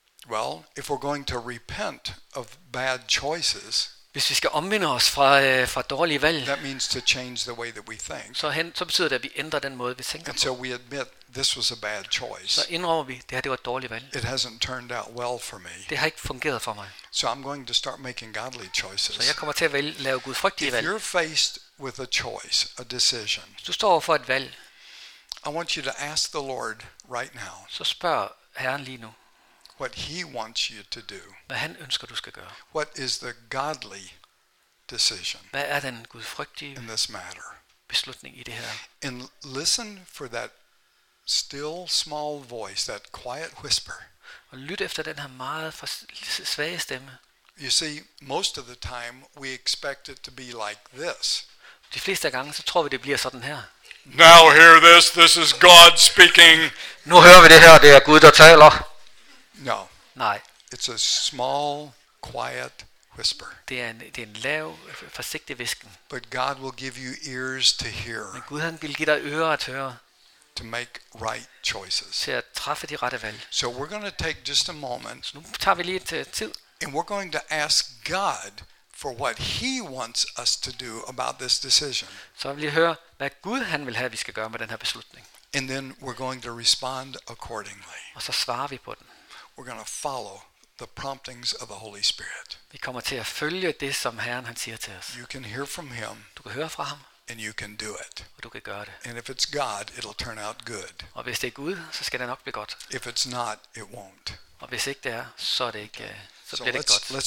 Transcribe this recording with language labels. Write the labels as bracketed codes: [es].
[en] Well, if we're going to repent of bad choices, [da] hvis vi skal omvende os fra dårlige valg, [en] that means to change the way that we think. [da] Så betyder det at vi ændrer den måde vi tænker. [en] And so we admit this was a bad choice. [da] Så indrømmer vi det her det var et dårligt valg. [en] It hasn't turned out well for me. [da] Det har ikke fungeret for mig. [en] So I'm going to start making godly choices. [da] Så jeg kommer til at lave gudfrygtige valg. [en] If you're faced with a choice, a decision, [da] du står over for et valg, [en] I want you to ask the Lord right now. [da] Så spørg Herren lige nu. [en] What he wants you to do. [da] Hvad han ønsker du skal gøre. [en] What is the godly decision? [da] Hvad er den gudfrygtige [en] in this matter? [da] Beslutning i det her. [en] And listen for that still small voice, that quiet whisper. [da] Og lyt efter den her meget svage stemme. [en] You see, most of the time we expect it to be like this. [da] De fleste gange så tror vi det bliver sådan her. [en] Now hear this, this is God speaking. [da] Nu hører vi det her, det er Gud der taler. [en] No. [da] Nej. [en] It's a small, quiet whisper. [da] Det er en lav, forsigtig hvisken. [en] But God will give you ears to hear. [da] Men Gud han vil give dig ører at høre. [en] To make right choices. [da] Til at træffe de rette valg. [en] So we're going to take just a moment. [da] Så nu tager vi lige et tid. [en] And we're going to ask God for what he wants us to do about this decision. [da] Så vil vi høre, hvad Gud han vil have vi skal gøre med den her beslutning. [en] And then we're going to respond accordingly. [da] Og så svarer vi på den. [en] We're going to follow the promptings of the Holy Spirit. [da] Vi kommer til at følge det som Herren han siger til os. [en] You can hear from him. [da] Du kan høre fra ham. [en] And you can do it. [da] Og du kan gøre det. [en] And if it's God, it'll turn out good. [da] Og hvis det er Gud, så skal det nok blive godt. [en] If it's not, it won't. [da] Og hvis ikke det er, så er det ikke så bliver det ikke godt.